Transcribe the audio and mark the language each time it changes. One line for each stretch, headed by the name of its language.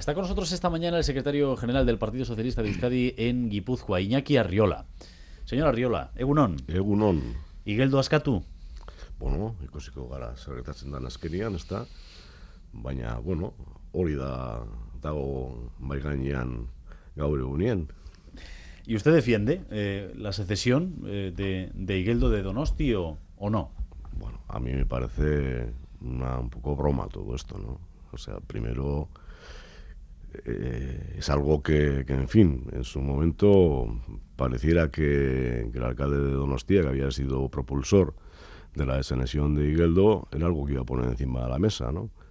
Spanish: Está con nosotros esta mañana el secretario general del Partido Socialista de Euskadi en Guipúzcoa, Iñaki Arriola. Señor Arriola,
Basque: egunon. Egunon. Igeldo askatu. Bueno, ikusiko gara zer gertatzen da azkenean, ezta? Baina, bueno, hori da dago mai gainean gaur egunean.
Spanish: ¿Y usted defiende la secesión de Igeldo de Donosti o no? Bueno, a mí me parece un poco broma todo esto, ¿no? O sea, primero es algo que, en fin, en su momento pareciera que el alcalde de Donostia, que había sido propulsor de la desanexión de Igeldo, era algo que iba a poner encima de la mesa, ¿no?